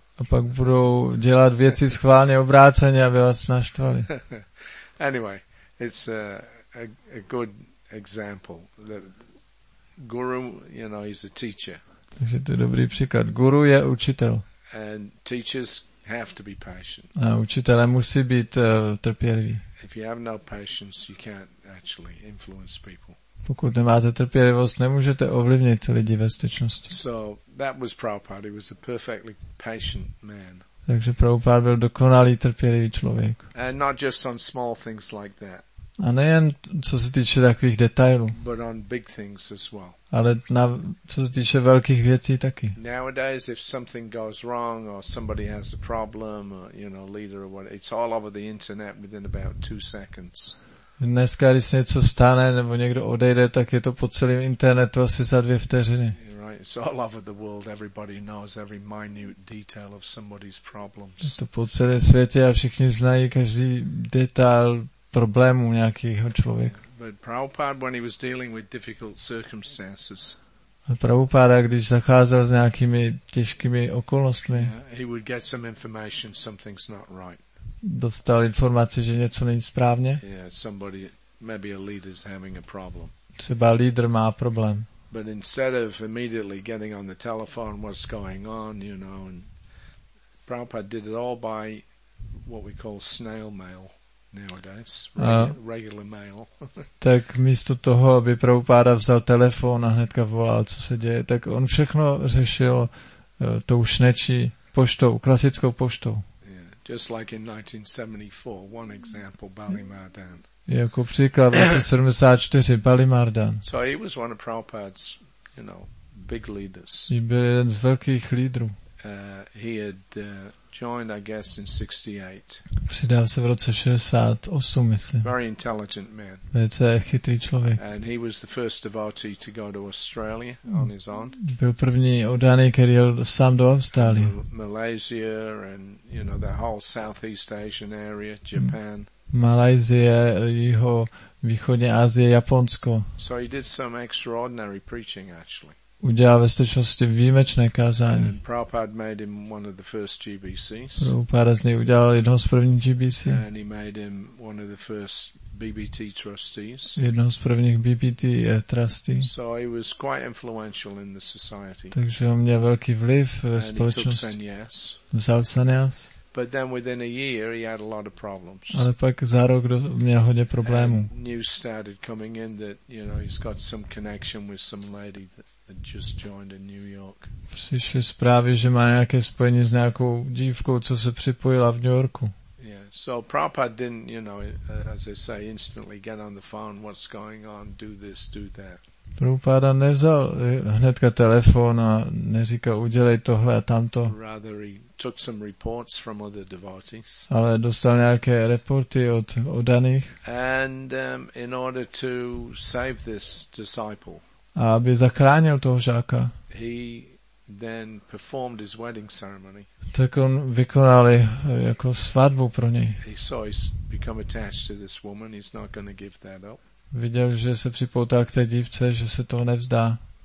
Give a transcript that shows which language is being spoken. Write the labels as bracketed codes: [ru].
[cs] A pak budou dělat věci schválně obráceně, aby vás naštvali. [en] Anyway, it's a good example. The guru, you know, he's a teacher. [cs] Takže to je dobrý příklad. Guru je učitel. [en] And teachers have to be patient. [cs] A učitelé musí být trpěliví. [en] If you have no patience, you can't actually influence people. [cs] Pokud nemáte trpělivost, nemůžete ovlivnit lidi ve skutečnosti. [en] So that was Prabhupada. He was a perfectly patient man. [cs] Takže Prabhupada byl dokonalý trpělivý člověk. [en] And not just on small things like that. [cs] A nejen co se týče takových detailů, [en] but on big things as well. [cs] Ale na, co se týče velkých věcí taky. [en] Nowadays, if something goes wrong or somebody has a problem, or, you know, leader or whatever, it's all over the internet within about 2 seconds. [cs] Dneska, když se něco stane nebo někdo odejde, tak je to po celém internetu asi za 2 vteřiny. [en] Right, it's all over the world. Everybody knows every minute detail of somebody's problems. [cs] Je to po celém světě a všichni znají každý detail problému nějakého člověka. [en] But Prabhupada, when he was dealing with difficult circumstances. [cs] Prabhupada, když zacházel s nějakými těžkými okolnostmi. [en] He would get some information, something's not right. [cs] Dostal informaci, že něco není správně. [en] Yeah, somebody, maybe a leader is having a problem. [cs] Třeba lídr má problém. [en] But instead of immediately getting on the telephone, what's going on, you know, and Prabhupada did it all by what we call snail mail nowadays, regular mail. [cs] Tak místo toho, aby Prabhupada vzal telefon a hnedka volal, co se děje, tak on všechno řešil tou šnečí poštou, klasickou poštou. [en] Just like in 1974, one example, Balimardhan. [cs] Jako příklad v roce 1974, Balimardhan. [en] So he was one of Prabhupada's, you know, big leaders. [cs] I byl jeden z velkých lídrů. [en] He had joined, I guess, in 68. [cs] Přidal se v roce 68, myslím. [en] Very intelligent man. [cs] Velice chytrý člověk. [en] And he was the first devotee to go to Australia on his own. [cs] Byl první oddaný, který jel sám do Austrálie. [en] Malaysia and, you know, the whole Southeast Asian area, Japan. [cs] Malajzie, jeho východní Asie, Japonsko. [en] So he did some extraordinary preaching, actually. [cs] Udělal ve skutečnosti výjimečné kázání. [en] Prabhupada made him one of the first GBCs. [cs] Prabhupada z něj udělal jednoho z prvních GBC. [en] And he made him one of the first BBT trustees. [cs] Jednoho z prvních BBT trustees. [en] So he was quite influential in the society. [cs] Takže on měl velký vliv ve společnosti. [en] And he took [cs] sannyas. Vzal sannyas. [en] But then within a year he had a lot of problems. [cs] Ale pak za rok měl hodně problémů. [en] News started coming in that, you know, he's got some connection with some lady that had just joined in New York. [cs] Přišly zprávy, že má nějaké spojení s nějakou dívkou, co se připojila v New Yorku. [en] Yeah. So Prabhupada didn't, you know, as I say, instantly get on the phone, what's going on, do this, do that. [cs] Prabhupada nevzal hnedka telefon a neříkal, udělej tohle a tamto. [en] Rather he took some reports from other devotees. [cs] Ale dostal nějaké reporty od oddaných. [en] And in order to save this disciple. [cs] A aby zachránil toho žáka. [en] He then performed his wedding ceremony. [cs] Tak on vykonal jako svatbu pro něj. [en] He saw he's become attached to this woman. He's not going to give that up. [cs] Viděl, že se připoutal k té dívce, že se toho nevzdá.